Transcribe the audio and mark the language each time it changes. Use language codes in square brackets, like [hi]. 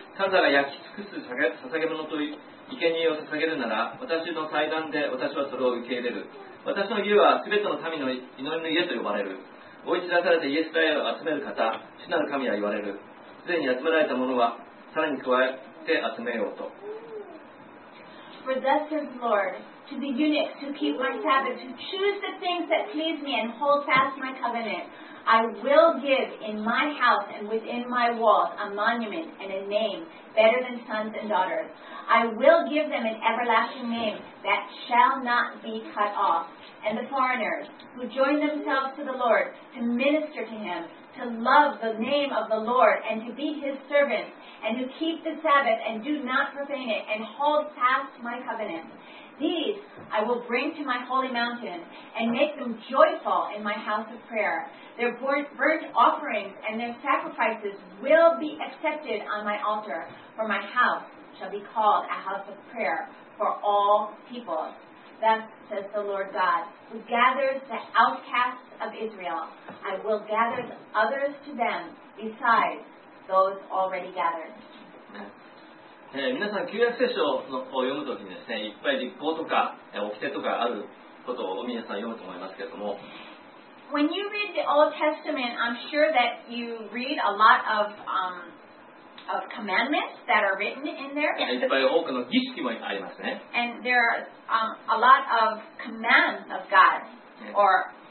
[ja] 彼らが焼き尽くす捧げ物と生贄を捧げるなら、私の祭壇で私はそれを受け入れる。私の家は全ての民の祈りの家と呼ばれる。追い散らされてイエスラエルを集める方、主なる神は言われる。すでに集められた者は、さらに加えて集めようと。 [en] For thus says the Lord, to the eunuchs who keep my Sabbath, who choose the things that please me and hold fast my covenant, I will give in my house and within my walls a monument and a name better than sons and daughters. I will give them an everlasting name that shall not be cut off. And the foreigners who join themselves to the Lord to minister to him, to love the name of the Lord and to be his servants, and who keep the Sabbath and do not profane it and hold fast my covenant. These I will bring to my holy mountain and make them joyful in my house of prayer. Their burnt offerings and their sacrifices will be accepted on my altar, for my house shall be called a house of prayer for all peoples. Thus says the Lord God, who gathers the outcasts of Israel, I will gather others to them besides those already gathered. [ja] 皆さん、旧約聖書を読むときにですね、いっぱい律法とか掟とかあることを皆さん読むと思いますけれども。 [en] When you read the Old Testament, I'm sure that you read a lot of, of commandments that are written in there. [ja] いっぱい多くの儀式もありますね。 [en] And there are a lot of commands of God or